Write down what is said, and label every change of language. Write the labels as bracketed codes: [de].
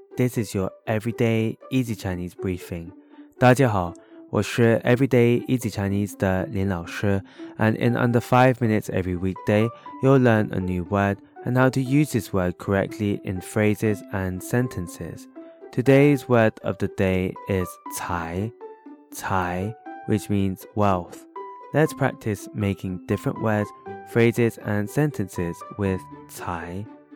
[en] This is your Everyday Easy Chinese Briefing. [zh] 大家好，我是 Everyday Easy Chinese 的林老师。 [en] And in under 5 minutes every weekday, you'll learn a new word and how to use this word correctly in phrases and sentences. Today's word of the day is 財, which means wealth. Let's practice making different words, phrases and sentences with 財.